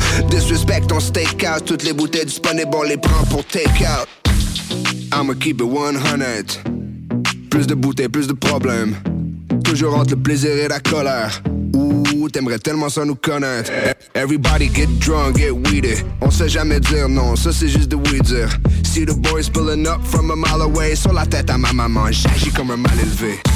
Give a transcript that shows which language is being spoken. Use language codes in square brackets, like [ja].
[fr] Disrespect ton steakhouse. Toutes les bouteilles disponibles, on les prend pour [en] take out. I'ma keep it 100. [fr] Plus de bouteilles, plus de problèmes. Toujours entre le plaisir et la colère. Ouh, t'aimerais tellement ça nous connaître. [en] Everybody get drunk, get weeded. [fr] On sait jamais dire non, ça c'est juste de weed dire. [en] See the boys pulling up from a mile away. [fr] Sur la tête à ma maman, j'agis comme un mal élevé.